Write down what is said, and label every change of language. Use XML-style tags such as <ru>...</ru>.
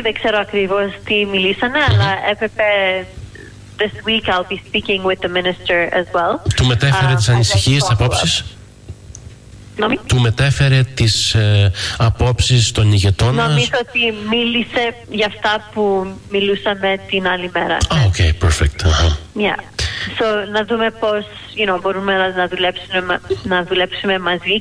<el>Δεν ξέρω ακριβώς τι μιλήσανε, αλλά έπρεπε.</el> <en>This week I'll be speaking with the minister as well.</en> <el>Του μετέφερε τις ανησυχίες, τις απόψεις? Του μετέφερε τις απόψεις των ηγετών μας? Νομίζω ότι μίλησε για αυτά που μιλούσαμε την άλλη μέρα.</el> <en>Oh, okay, perfect. Yeah.</en> <el>So, να δούμε πώς μπορούμε να δουλέψουμε μαζί.</el>